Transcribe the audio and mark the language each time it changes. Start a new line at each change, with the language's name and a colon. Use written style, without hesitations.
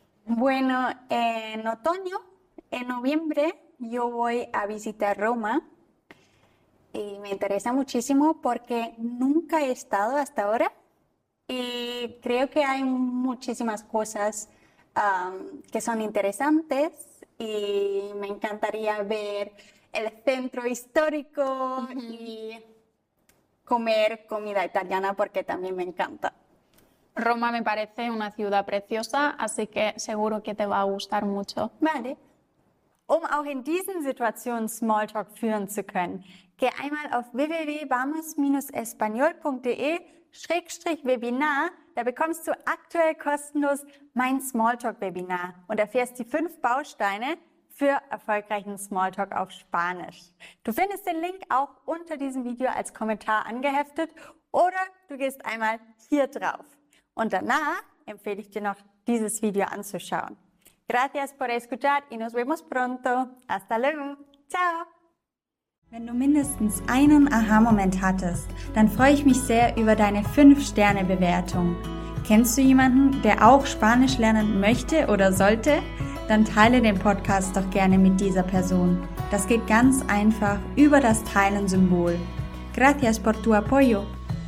Spanish: Bueno, en otoño, en noviembre, yo voy a visitar Roma y me interesa muchísimo porque nunca he estado hasta ahora y creo que hay muchísimas cosas que son interesantes y me encantaría ver el centro histórico y comer comida italiana porque también me encanta. Roma me parece una ciudad preciosa, así que seguro que te va a gustar mucho. Vale.
German: Um auch in diesen Situationen Smalltalk führen zu können, geh einmal auf www.vamos-español.de/webinar. Da bekommst du aktuell kostenlos mein Smalltalk-Webinar und erfährst die 5 Bausteine für erfolgreichen Smalltalk auf Spanisch. Du findest den Link auch unter diesem Video als Kommentar angeheftet Oder du gehst einmal hier drauf. Und danach empfehle ich dir noch, dieses Video anzuschauen.
Spanish: Gracias por escuchar y nos vemos pronto. Hasta luego. Ciao.
German: Wenn du mindestens einen Aha-Moment hattest, dann freue ich mich sehr über deine 5-Sterne-Bewertung. Kennst du jemanden, der auch Spanisch lernen möchte oder sollte? Dann teile den Podcast doch gerne mit dieser Person. Das geht ganz einfach über das Teilen-Symbol.
Spanish: Gracias por tu apoyo.